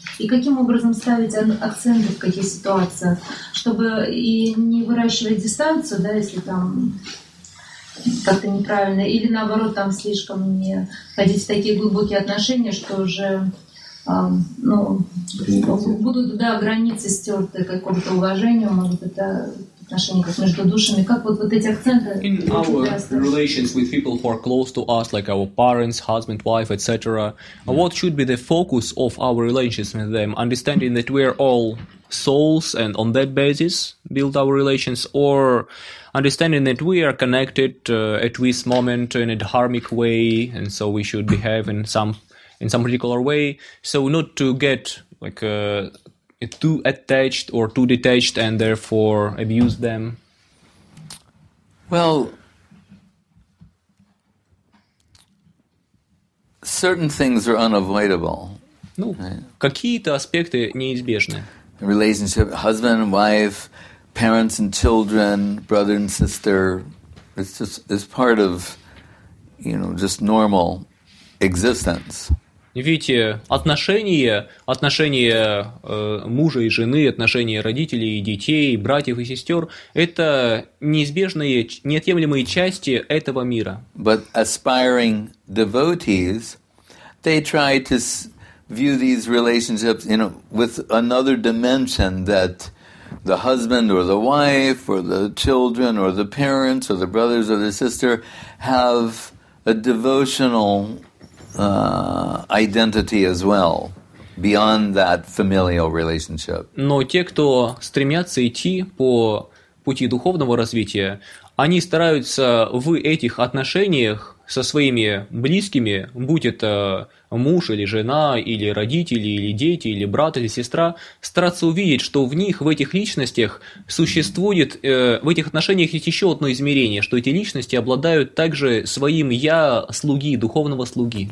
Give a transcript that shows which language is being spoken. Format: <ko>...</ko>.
<ru>И каким образом ставить акценты в каких ситуациях, чтобы и не выращивать дистанцию, да, если там как-то неправильно, или наоборот, там слишком не ходить в такие глубокие отношения, что уже ну, будут, да, границы стерты какого-то уважения, может быть, да, отношения как между душами. Как вот, вот эти акценты?</ru> <en>In our relations with people who are close to us, like our parents, husband, wife, etc., what should be the focus of our relations with them? Understanding that we are all souls and on that basis build our relations, or understanding that we are connected at this moment in a dharmic way, and so we should behave in some particular way, so not to get like too attached or too detached and therefore abuse them. Well, certain things are unavoidable.</en> <ru>Ну, какие-то аспекты неизбежны.</ru> <en>Relationship, husband and wife, parents and children, brother and sister. It's just, it's part of, you know, just normal existence.</en> <ru>Видите, отношения мужа и жены, отношения родителей и детей, братьев и сестер, это неизбежные, неотъемлемые части этого мира.</ru> <en>But aspiring devotees, they try to view these relationships, you know, with another dimension, that the husband or the wife or the children or the parents or the brothers or the sister have a devotional identity as well, beyond that familial relationship.</en> <ru>Но те, кто стремятся идти по пути духовного развития, они стараются в этих отношениях со своими близкими, будь это муж или жена, или родители, или дети, или брат, или сестра, стараться увидеть, что в них, в этих личностях существует, в этих отношениях есть еще одно измерение, что эти личности обладают также своим «я» слуги, духовного слуги.</ru>